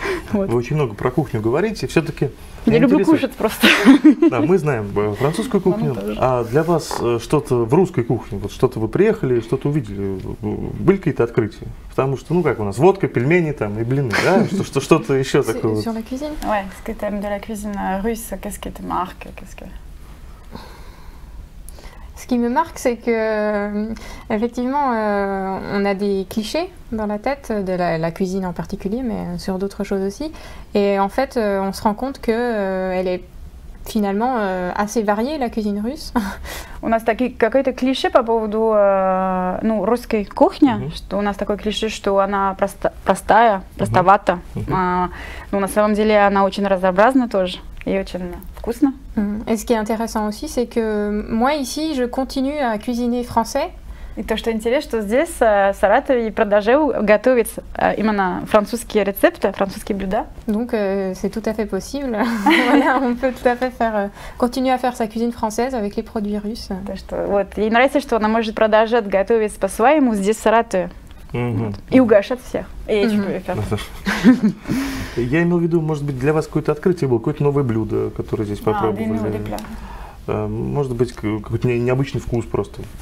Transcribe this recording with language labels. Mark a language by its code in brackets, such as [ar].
[ru] Вы очень много про кухню говорите, все-таки... Я люблю кушать просто. Да, мы знаем французскую кухню, а для вас что-то в русской кухне, вот что-то вы приехали, что-то увидели, были какие-то открытия? Потому что, ну как у нас, водка, пельмени там и блины, да? Что-то еще такое? [fr] Sur la cuisine? Ouais, ce que t'aimes de la cuisine russe, qu'est-ce que tu marques, qu'est-ce que... Ce qui me marque, c'est que, effectivement, on a des clichés dans la tête, de la cuisine en particulier, mais sur d'autres choses aussi. Et en fait, on se rend compte qu'elle est finalement assez variée, la cuisine russe. [ru] У нас такие какой-то клише по поводу, ну, русской кухни, что у нас такой клише, что она простая, простовата. Но на самом деле она очень разнообразна тоже. Et очень вкусно. [fr] Et ce qui est intéressant aussi, c'est que moi ici, je continue à cuisiner français. [ru] И то, что интересно, что здесь, в Саратове, продолжаю готовить именно французские рецепты, французские блюда. [fr] Donc, c'est tout à fait possible. Voilà, on peut tout à fait faire, continuer à faire sa cuisine française avec les produits russes. [ru] То, что, вот, ей нравится, что она может продолжать готовить по-своему здесь, в Саратове. И угощать всех. И я имел в виду, может быть, для вас какое-то открытие было, какое-то новое блюдо, которое здесь попробовали. Может быть, какой-то необычный вкус просто.